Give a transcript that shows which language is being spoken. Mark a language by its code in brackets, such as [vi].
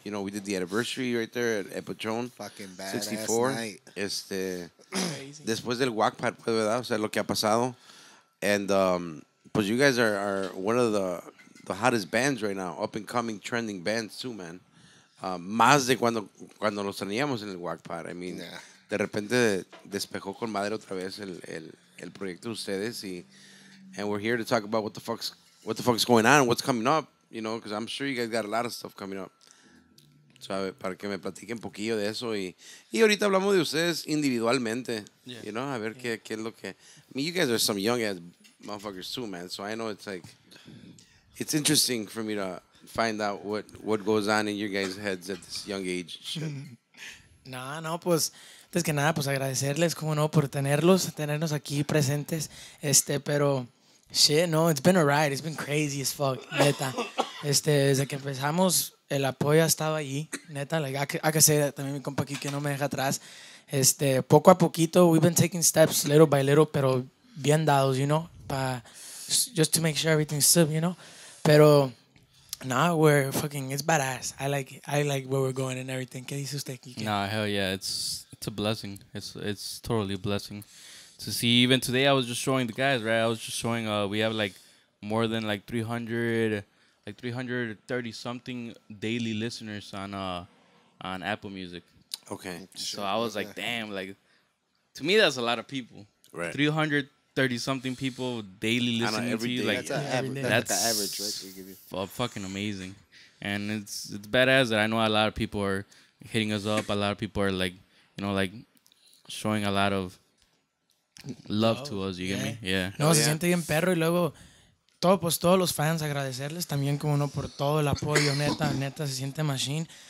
[en] You know, we did the anniversary right there at Epochon. Fucking badass 64. Night. [es] Después del Wackpad, pues, ¿verdad? O sea, lo que ha pasado. [en] And, [es] pues, [en] you guys are one of the hottest bands right now. Up and coming, trending bands too, man. [es] Más de cuando los teníamos en el Wackpad. [en] I mean, yeah. [es] De repente despejó con madre otra vez el proyecto de ustedes. [en] And we're here to talk about what the fuck is going on, what's coming up, you know, because I'm sure you guys got a lot of stuff coming up. [es] So, para que me platiquen un poquillo de eso. Y ahorita hablamos de ustedes individualmente, [en] yeah. You know, [es] a ver qué es lo que... [en] I mean, you guys are some young-ass motherfuckers too, man. So I know it's like... It's interesting for me to find out what goes on in your guys' heads at this young age. [es] No, pues... Antes que nada, pues agradecerles, como no, por tenernos aquí presentes. Pero... [en] Shit, no, it's been a ride, it's been crazy as fuck, neta. [es] Desde que empezamos, el apoyo ha estado ahí, neta. Like, hay que ser también mi compa aquí que no me deja atrás. Poco a poquito, [en] we've been taking steps little by little, [es] pero bien dados, [en] you know, pa, just to make sure everything's still, you know. Pero, nah, we're fucking, it's badass. I like where we're going and everything. [es] ¿Qué dice usted, [en] Kike? Nah, hell yeah, it's a blessing. It's totally a blessing. To see, even today, I was just showing the guys, right? I was just showing, we have like more than like 300, like 330 something daily listeners on Apple Music. Okay. So sure. I was like, damn, like, to me, that's a lot of people. Right. 330 something people daily listening to you. Like, that's the average, right? We give you. Fucking amazing. And it's badass that I know a lot of people are hitting us up. A lot of people are like, you know, like showing a lot of love to us, you get me? Yeah. [es] No, se siente bien perro y luego todo, pues, todos los fans agradecerles también como no por todo el apoyo, neta, neta, se siente machine.